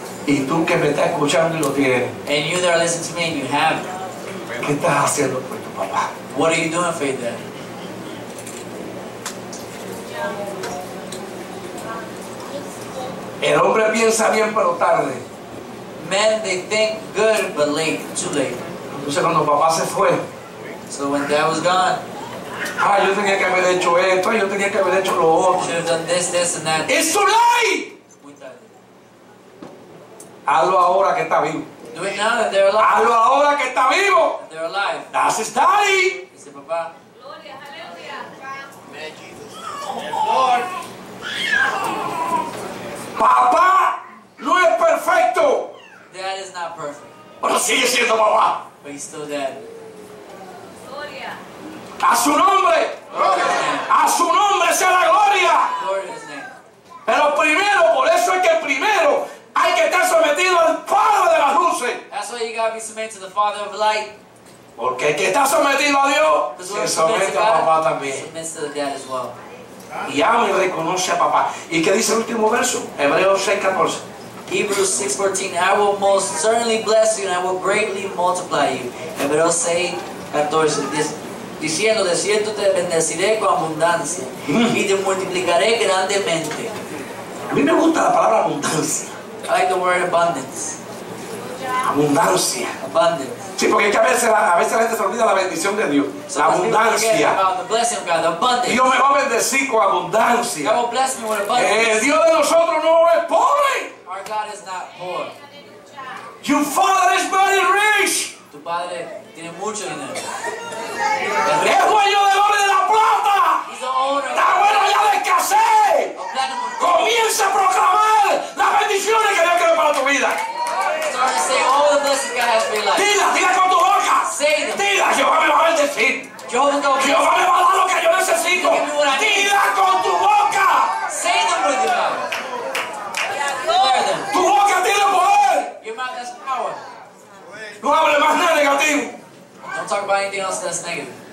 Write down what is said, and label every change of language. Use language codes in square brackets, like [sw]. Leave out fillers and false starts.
[es] Y tú que me estás escuchando y lo tienes. [en] And you that are listening to me and you have. [es] ¿Qué estás haciendo por tu papá? [en] What are you doing for your dad? [es] El hombre piensa bien pero tarde. [en] Men, they think good, but late, too late. [es] Entonces, cuando papá se fue, [en] so when dad was gone, [es] yo tenía que haber hecho esto, yo tenía que haber hecho lo otro. [en] Should have done this, this, and that. It's too late! [es] Hazlo ahora que está vivo. [en] Do it now that they're alive. [es] Hazlo ahora que está vivo. [en] And they're alive. That's his daddy. [es] Dice papá. Gloria, aleluya. [en] Amen, Jesus. Oh, Lord. [es] Papá no es perfecto. [en] Dad is not perfect. [es] Pero sigue siendo papá. [en] But he's still dead. [es] Gloria. A su nombre. Gloria. A su nombre sea la gloria. [en] Gloria his name. [es] Pero primero, por eso es que primero hay que estar sometido al Padre de las luces. [en] That's why you gotta be submitted to the Father of Light. [es] Porque el que está sometido a Dios se somete a papá también. [en] Submits to the dad as well. [es] Y ama y reconoce a papá. ¿Y qué dice el último verso? Hebreos 6:14. [en] Hebrews 6:14, I will most certainly bless you and I will greatly multiply you. [es] Hebreos 6:14, diciendo, de cierto te bendeciré con abundancia y te multiplicaré grandemente. A mí me gusta la palabra abundancia. [en] I like the word abundance. [es] Abundancia. [en] Abundance. [es] Sí, porque es que a veces la gente se olvida la bendición de Dios. [en] So [es] la abundancia. [en] The blessing of God, the abundance. [es] Dios me va a bendecir con abundancia. [en] God will bless me with abundance. [es] El Dios de nosotros no es pobre. [en] Our God is not poor. Your father is very rich. [es] Tu padre tiene mucho dinero. Es dueño del oro y de la plata. [en] He's the owner. [es] Está bueno ya de escasez. Comienza a proclamar las bendiciones que Dios quiere para tu vida. [en] Start to say all the blessings God has for your life. [es] Dila con tu boca. [en] Say them. [es] Dila, Jehová me va a bendecir. Jehová me va a dar lo que yo necesito. Dila con tu boca. [en] Say them with your mouth. [es] Tu boca tiene poder. [en] Your mouth has power. [es] No hable más negativo. [en] Don't talk about anything else that's negative.